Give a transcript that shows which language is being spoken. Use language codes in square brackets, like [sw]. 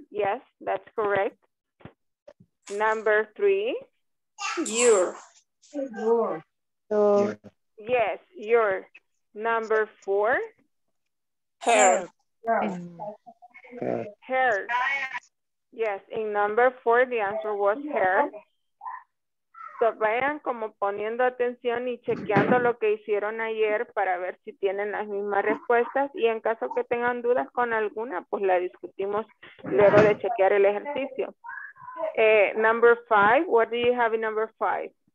[en] Yes, that's correct. Number three, your. Yes, your. Number four, hair. Hair. Yes, in number four, the answer was hair. [es] So vayan como poniendo atención y chequeando lo que hicieron ayer para ver si tienen las mismas respuestas. Y en caso que tengan dudas con alguna, pues la discutimos luego de chequear el ejercicio. [en] Number five, what do you have in number five?